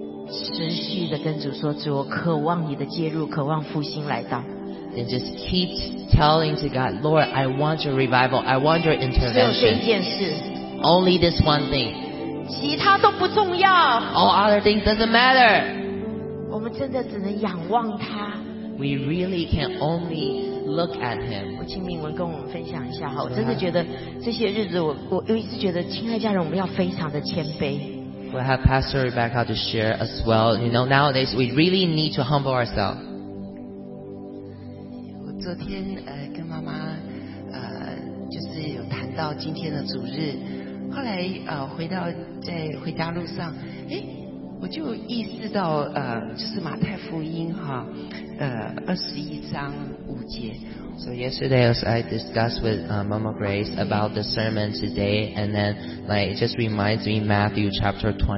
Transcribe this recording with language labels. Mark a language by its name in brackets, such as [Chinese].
[Chinese] 持续的跟主说，主，我渴望你的介入，渴望复兴来到。 [English] Then just keep telling to God, Lord, I want your revival, I want your intervention. [Chinese] 只有这件事。 [English] Only this one thing. [Chinese] 其他都不重要。 [English] All other things doesn't matter. [Chinese] 我们真的只能仰望他。 [English] We really can only look at him. [Chinese] 我请明文跟我们分享一下哈，我真的觉得这些日子我一直觉得，亲爱家人，我们要非常的谦卑。 [English] We have Pastor Rebecca to share as well. You know, nowadays we really need to humble ourselves. [Chinese] 我昨天跟妈妈就是有谈到今天的主日，后来回家路上，我就意识到就是马太福音哈，21:5。 [English] So yesterday as I discussed with Mama Grace about the sermon today, and then like it just reminds me Matthew chapter